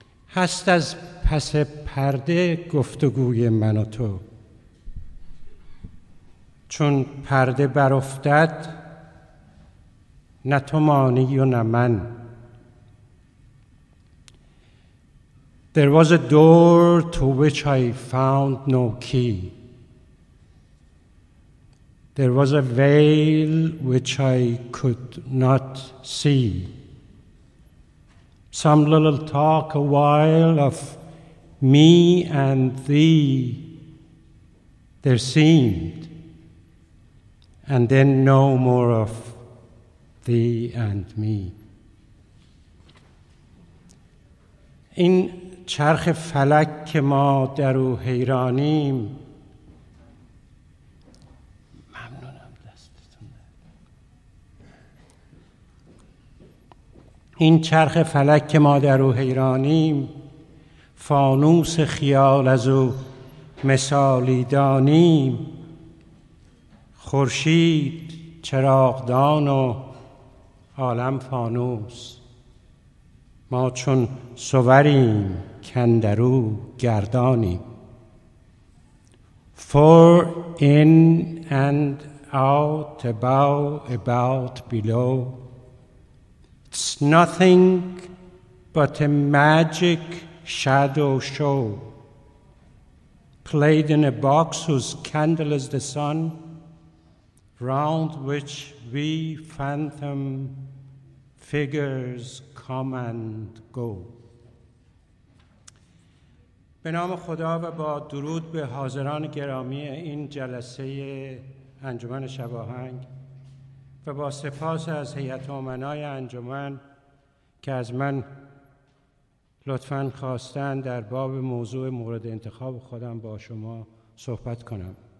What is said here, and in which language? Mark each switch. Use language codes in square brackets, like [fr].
[fa] هست از پس پرده گفتگوی من و تو، چون پرده برافتد نه تو مانی و نه من. [en] There was a door to which I found no key. There was a veil which I could not see. Some little talk a while of me and thee there seemed, and then no more of thee and me. [fa] این چرخ فلک که ما در او حیرانیم، ممنونم دستتون، این چرخ فلک که ما در او حیرانیم، فانوس خیال از او مثالی دانیم. خورشید چراغدان و عالم فانوس، ما چون صوریم کندرو گردانیم. [en] For in and out, about, below, it's nothing but a magic shadow show played in a box whose candle is the sun, round which we phantom figures come and go. [fa] به نام خدا و با درود به حاضران گرامی این جلسه انجمن شباهنگ و با سپاس از هیئت امنای انجمن که از من لطفاً خواستن در باب موضوع مورد انتخاب خودم با شما صحبت کنم